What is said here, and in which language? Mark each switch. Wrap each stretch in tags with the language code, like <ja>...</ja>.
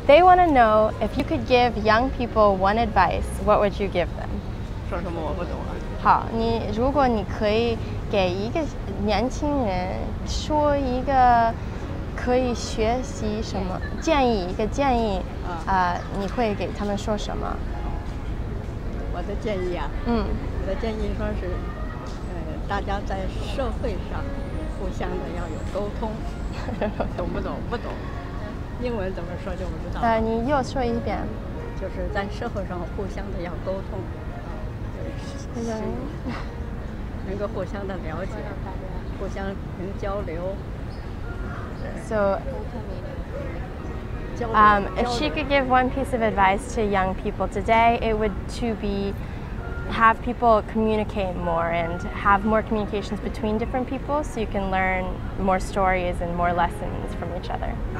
<en>They want to know if you could give young people one advice, what would you give them?</en> <zh>说什么我不懂啊。好，你如果你可以给一个年轻人说一个可以学习什么建议，一个建议，你会给他们说什么？我的建议啊，我的建议说是，大家在社会上互相的要有沟通，懂不懂？不懂，英文怎么说就不知道了。你又说一遍，就是在社会上互相的要沟通，能够互相的了解，互相能交流。</zh> <en>So, if she could give one piece of advice to young people today, it would to be have people communicate more and have more communications between different people so you can learn more stories and more lessons from each other.</en>